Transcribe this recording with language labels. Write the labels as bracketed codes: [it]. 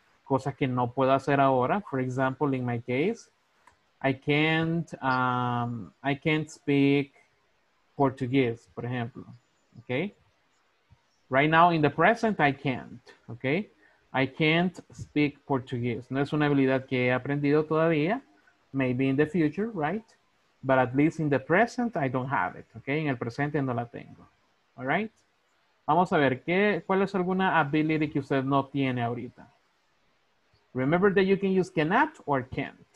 [es] cosas que no puedo hacer ahora. [en] For example, in my case, I can't speak Portuguese, [es] por ejemplo. [en] Okay? Right now, in the present, I can't. Okay? I can't speak Portuguese. [es] No es una habilidad que he aprendido todavía. [en] Maybe in the future, right? But at least in the present, I don't have it. [es] Okay? En el presente no la tengo. [en] All right? [es] Vamos a ver, ¿cuál es alguna ability que usted no tiene ahorita? [en] Remember that you can use cannot or can't.